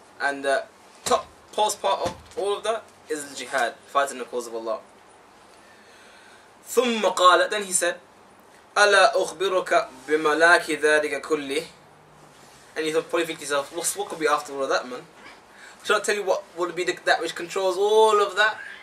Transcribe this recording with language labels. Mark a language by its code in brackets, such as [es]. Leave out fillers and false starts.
[en] And the top post part of all of that is the jihad, fighting the cause of Allah. [ar] ثم قال, [en] then he said, [ar] ألا أخبرك بملاك ذلك كله. [en] And you probably think to yourself, what could be after all of that, man? Should I tell you what would be that which controls all of that?